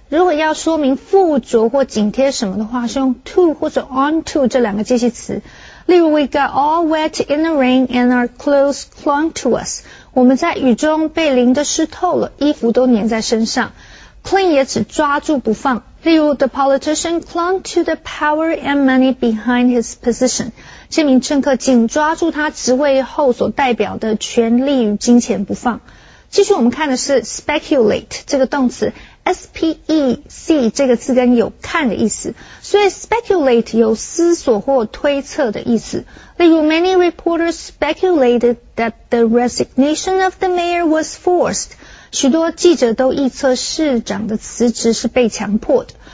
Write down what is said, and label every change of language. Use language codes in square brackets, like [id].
[zh] 如果要说明附着或紧贴什么的话是用 to 或者 onto 这两个介系词。例如 [en] we got all wet in the rain and our clothes clung to us。 [zh] 我们在雨中被淋得湿透了衣服都粘在身上。 clean 也指抓住不放。例如 [en] the politician clung to the power and money behind his position. [zh] 这名政客紧抓住他职位后所代表的权力与金钱不放。继续我们看的是 speculate 这个动词 S-P-E-C 这个字根有看的意思。所以 speculate 有思索或推测的意思。例如 [en] many reporters speculated that the resignation of the mayor was forced. [zh] 许多记者都预测市长的辞职是被强迫的。